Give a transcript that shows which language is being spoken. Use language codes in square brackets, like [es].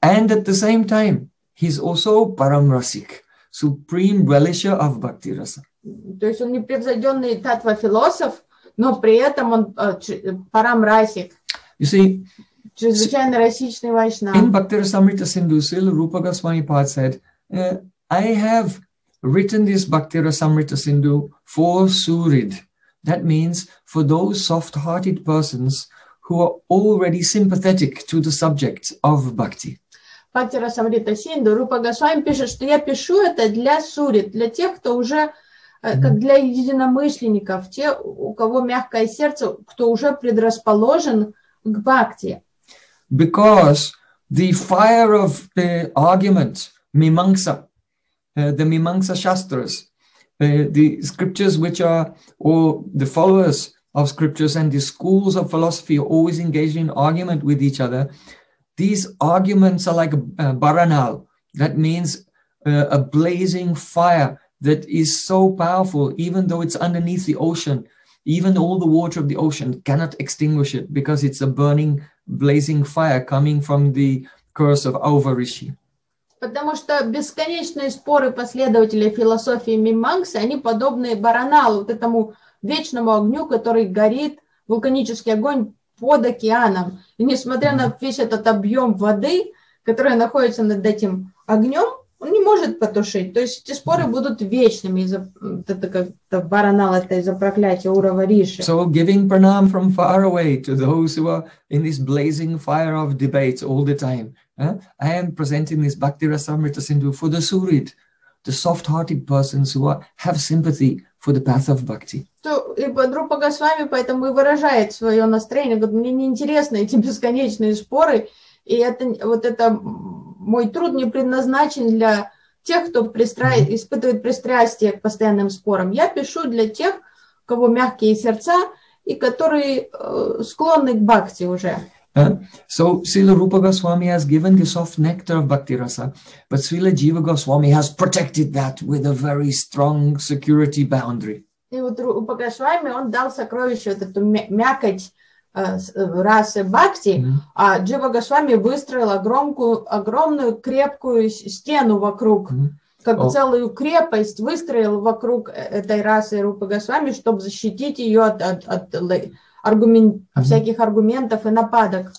[en] And at the same time, he's also Paramrasik, supreme relisher of Bhakti Rasa. [ru] То есть он непревзойденный таттва-философ, но при этом он Парамрасик. [en] You see, in Bhaktira Samrita Sindhu, Srila Rupa Goswami Pad said, I have written this Bhaktira Samrita Sindhu for Surid. That means for those soft-hearted persons who are already sympathetic to the subject of bhakti. [ru] Бхактира Самрита Синду, Рупа Госвами пишет, что я пишу это для Сурид, для тех, кто уже, как для единомышленников, те, у кого мягкое сердце, кто уже предрасположен к бхакти. [en] Because the fire of the argument, Mimamsa, the Mimamsa Shastras, the scriptures which are, or the followers of scriptures and the schools of philosophy are always engaged in argument with each other, these arguments are like baranal, that means a blazing fire that is so powerful, even though it's underneath the ocean, even all the water of the ocean cannot extinguish it because it's a burning, blazing fire coming from the curse of Auva Rishi. [ru] Потому что бесконечные споры последователей философии Мимамсы, они подобны бараналу, вот этому вечному огню, который горит, вулканический огонь, под океаном, и несмотря на весь этот объем воды, которая находится над этим огнем, он не может потушить. То есть эти споры будут вечными из-за как-то баранала, это из-за проклятия Урава Риши. [en] So giving pranam from far away to those who are in this blazing fire of debates all the time. I am presenting this Bhaktirasamrita Sindhu for the Surid, the soft-hearted persons who are, have sympathy for the path of bhakti. [ru] И Рупа Госвами поэтому и выражает свое настроение. Говорит, мне неинтересны эти бесконечные споры, и это, вот это мой труд не предназначен для тех, кто испытывает пристрастие к постоянным спорам. Я пишу для тех, у кого мягкие сердца и которые склонны к бхакти уже. [en] So Srila Rupa Goswami has given the soft nectar of Bhakti Rasa, but Srila Jiva Goswami has protected that with a very strong security boundary. [ru] И вот Рупа Госвами, он дал сокровище, вот эту мякоть расы бхакти, а Джива Госвами выстроил огромную крепкую стену вокруг, целую крепость выстроил вокруг этой расы Рупа Госвами, чтобы защитить ее от всяких аргументов и нападок.